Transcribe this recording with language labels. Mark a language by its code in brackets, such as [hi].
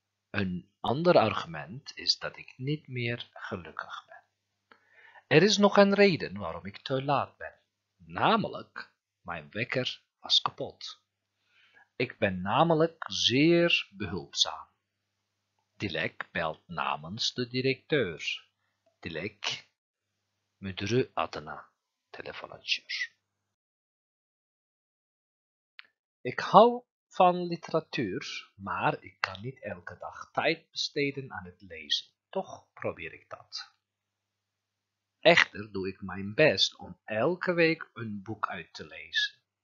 [nl] Een ander argument is dat ik niet meer gelukkig ben. Er is nog een reden waarom ik te laat ben, namelijk mijn wekker was kapot. Ik ben namelijk zeer behulpzaam. Dilek belt namens de directeur. [tr] Dilek, müdürü adına telefon açıyor. [nl] Ik hou van literatuur, maar ik kan niet elke dag tijd besteden aan het lezen. Toch probeer ik dat. Echter doe ik mijn best om elke week een boek uit te lezen.